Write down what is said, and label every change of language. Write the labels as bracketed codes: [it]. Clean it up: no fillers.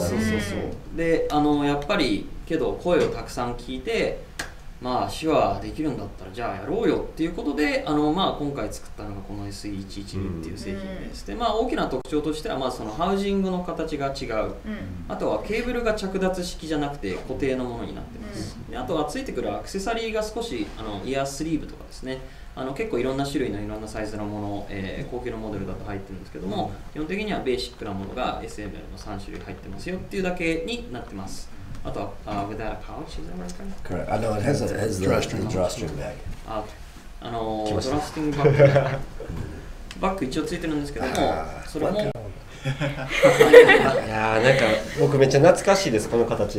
[ja] そうそうそう、でやっぱりけど声をたくさん聞いて、まあ手話できるんだったらじゃあやろうよっていうことで、まあ今回作ったのがこの SE112 っていう製品です、うん、でまあ大きな特徴としてはまあそのハウジングの形が違う、うん、あとはケーブルが着脱式じゃなくて固定のものになってます、うん、であとはついてくるアクセサリーが少しイヤースリーブとかですね、結構いろんな種類のいろんなサイズのもの、高級のモデルだと入ってるんですけども、基本的にはベーシックなものが SML の3種類入ってますよっていうだけになってます。 [en] あと、without a pouch, is that right? Correct. I know it has a drawstring bag. Drawstring bag. [ja] バッグ一応ついてるんですけども、それも。いやー、なんか僕めっちゃ懐かしいです、この形。